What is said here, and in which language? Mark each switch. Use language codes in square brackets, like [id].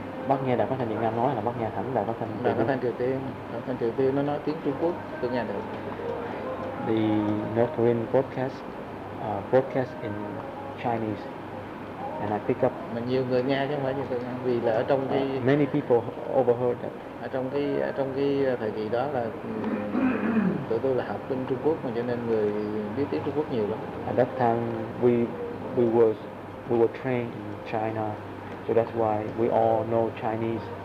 [vi] Bác nghe đài phát thanh Việt Nam nói là bác nghe thẳng đài phát thanh Triều Tiên. Đài phát thanh Triều Tiên nó nói tiếng Trung Quốc, tôi nghe được. [en] The North Korean broadcast broadcast in Chinese, and I pick up. [vi] Mà nhiều người nghe chứ không phải như tôi nghe, vì là ở trong cái. [en] Many people overheard that. [vi] Ở trong cái thời kỳ đó là tụi tôi là học bên Trung Quốc mà cho nên người biết tiếng Trung Quốc nhiều lắm. [en] At that time we were trained in China, so that's why we all know Chinese.